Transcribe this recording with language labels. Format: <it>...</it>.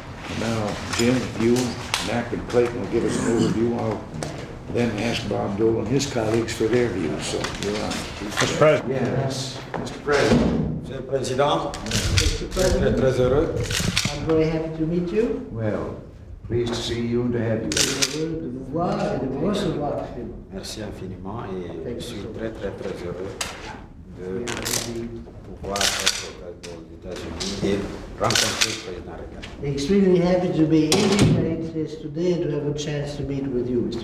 <en>And now, Jim, you, Mac, and Clayton will give us an overview. I'll then ask Bob Dole and his colleagues for their views. So, you're on. Mr. President. Yes. Mr. President.</en> <fr>Monsieur le President.</fr> <en>Mr. President.</en> <fr>Très, très heureux.</fr> <en>I'm very happy to meet you. Well, pleased to see you and to have you.</en> <fr>Heureux de vous voir et de vous recevoir. Merci infiniment et je suis très, très, très heureux de pouvoir être aux États-Unis et rencontrer le président Reagan.</fr> <en>Extremely happy to be in the United States today and to have a chance to meet with you, Mr.</en>